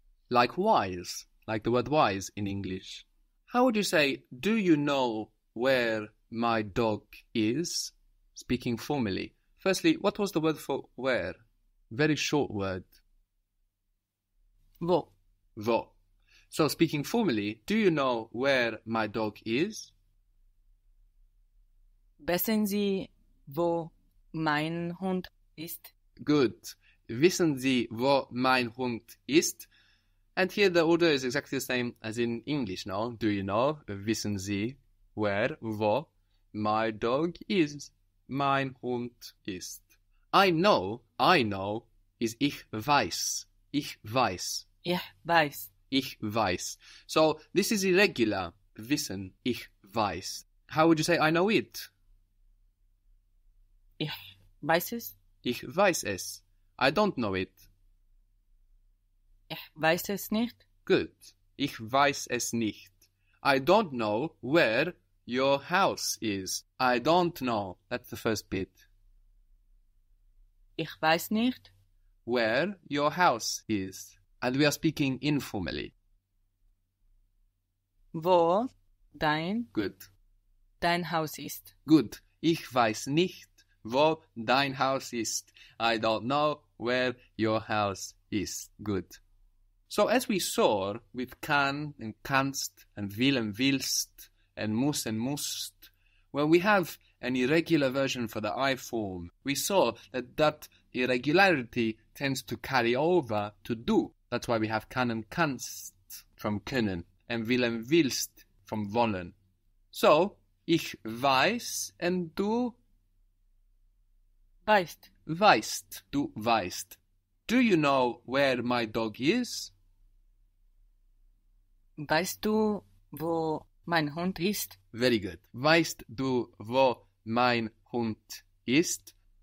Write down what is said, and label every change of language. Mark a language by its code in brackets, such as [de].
[en] Like wise, like the word wise in English. How would you say, do you know where my dog is? Speaking formally. Firstly, what was the word for where? Very short word. [de] Wo. Wo. [en] So speaking formally, do you know where my dog is? [de] Wissen Sie, wo mein Hund ist? [en] Good. [de] Wissen Sie, wo mein Hund ist? [en] And here the order is exactly the same as in English, no? Do you know? [de] Wissen Sie, [en] where, wo my dog is? [de] Mein Hund ist. [en] I know is [de] ich weiß. Ich weiß. Ich weiß. Ich weiß. [en] So this is irregular. Wissen. [de] Ich weiß. [en] How would you say I know it? [de] Ich weiß es. Ich weiß es. [en] I don't know it. [de] Ich weiß es nicht. Good. Ich weiß es nicht. [en] I don't know where your house is. I don't know. That's the first bit. [de] Ich weiß nicht. [en] Where your house is. And we are speaking informally. [de] Wo dein... [en] Good. [de] Dein Haus ist. [en] Good. [de] Ich weiß nicht, wo dein Haus ist. [en] I don't know where your house is. Good. So as we saw with kann and kannst and will and willst, and muss and must, when we have an irregular version for the I form, we saw that that irregularity tends to carry over to do. That's why we have kann und kannst from können and will und willst from wollen. [de] So, ich weiß and du weißt. Weißt, du weißt. [en] Do you know where my dog is? [de] Weißt du wo mein Hund ist? [en] Very good. [de] Weißt du, wo mein Hund ist?